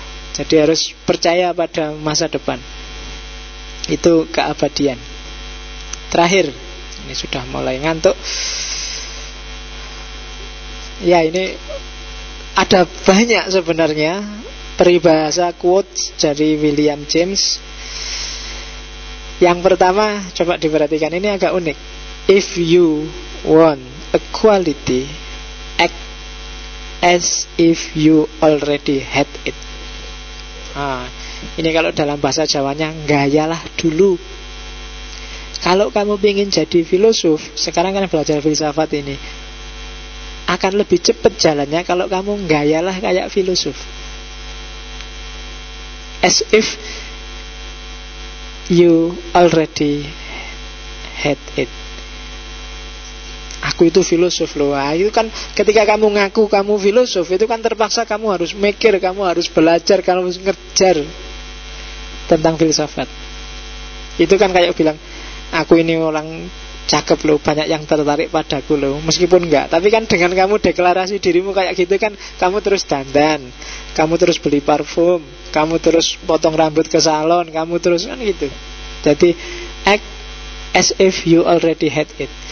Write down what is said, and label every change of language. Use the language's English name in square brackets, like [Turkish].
[Indonesian] Jadi harus percaya pada masa depan. Itu keabadian. Terakhir, ini sudah mulai ngantuk. Ya, ini ada banyak sebenarnya peribahasa, quotes dari William James. Yang pertama, coba diperhatikan, ini agak unik. [English] If you want a quality, act as if you already had it. [Indonesian] Ini kalau dalam bahasa Jawanya, gayalah dulu. Kalau kamu ingin jadi filosof, sekarang kan belajar filsafat ini, akan lebih cepat jalannya kalau kamu gayalah kayak filosof. [English] As if you already had it. [Indonesian] Aku itu filosof loh. Itu kan ketika kamu ngaku kamu filosof, itu kan terpaksa kamu harus mikir, kamu harus belajar, kamu harus ngerjar tentang filsafat. Itu kan kayak bilang, aku ini orang cakep loh, banyak yang tertarik padaku loh. Meskipun enggak, tapi kan dengan kamu deklarasi dirimu kayak gitu kan, kamu terus dandan, kamu terus beli parfum, kamu terus potong rambut ke salon, kamu terus kan gitu. [English] Jadi act as if you already had it.